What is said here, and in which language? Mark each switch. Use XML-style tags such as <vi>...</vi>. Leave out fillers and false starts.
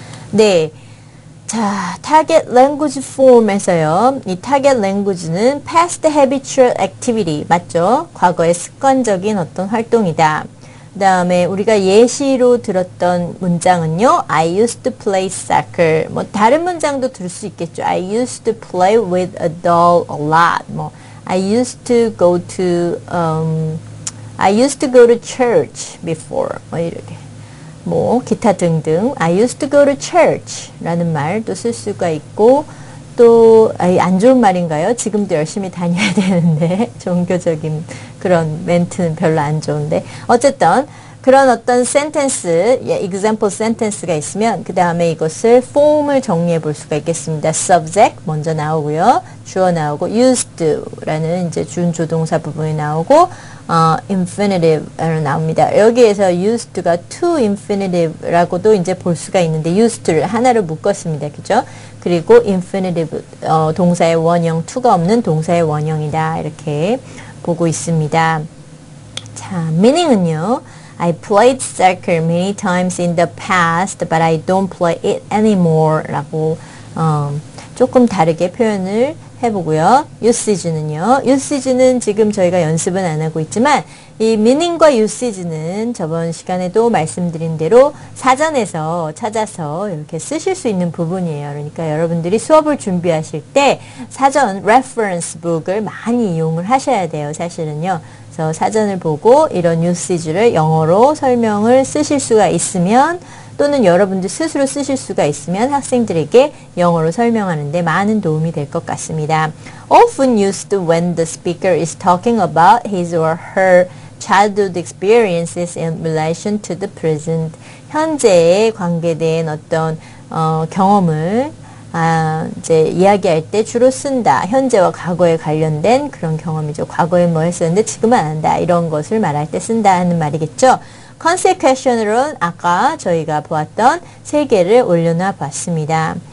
<ko>네. 자, target language form에서요. 이 target language는 past habitual activity, 맞죠? 과거의 습관적인 어떤 활동이다. 그 다음에 우리가 예시로 들었던 문장은요.</ko> <en>I used to play soccer.</en> <ko>뭐 다른 문장도 들을 수 있겠죠.</ko> <en>I used to play with a doll a lot. 뭐 I used to go to I used to go to church before.</en> <ko>뭐 이렇게. 뭐 기타 등등.</ko> <en>I used to go to church</en> <ko>라는 말도 쓸 수가 있고 또 안 좋은 말인가요? 지금도 열심히 다녀야 되는데 종교적인 그런 멘트는 별로 안 좋은데 어쨌든 그런 어떤 sentence, example sentence가 있으면 그 다음에 이것을 form을 정리해 볼 수가 있겠습니다. Subject 먼저 나오고요. 주어 나오고 used to라는 이제 준조동사 부분이 나오고 infinitive로 나옵니다. 여기에서 used to가 to infinitive라고도 이제 볼 수가 있는데 used to를 하나로 묶었습니다. 그죠? 그리고 infinitive 동사의 원형, to가 없는 동사의 원형이다. 이렇게 보고 있습니다. 자, meaning은요.</ko> <en>I played soccer many times in the past, but I don't play it anymore.</en> <ko>라고 조금 다르게 표현을 해보고요. usage는요. usage는 지금 저희가 연습은 안 하고 있지만 이 meaning과 usage는 저번 시간에도 말씀드린 대로 사전에서 찾아서 이렇게 쓰실 수 있는 부분이에요. 그러니까 여러분들이 수업을 준비하실 때 사전 reference book을 많이 이용을 하셔야 돼요. 사실은요. 그래서 사전을 보고 이런 usage를 영어로 설명을 쓰실 수가 있으면 또는 여러분들 스스로 쓰실 수가 있으면 학생들에게 영어로 설명하는 데 많은 도움이 될 것 같습니다.</ko> <en>Often used when the speaker is talking about his or her childhood experiences in relation to the present.</en> <ko>현재에 관계된 어떤 경험을 이제 이야기할 때 주로 쓴다. 현재와 과거에 관련된 그런 경험이죠. 과거에 뭐 했었는데 지금은 안다. 이런 것을 말할 때 쓴다 하는 말이겠죠. Concept question으로는 아까 저희가 보았던 세 개를 올려놔 봤습니다.</ko>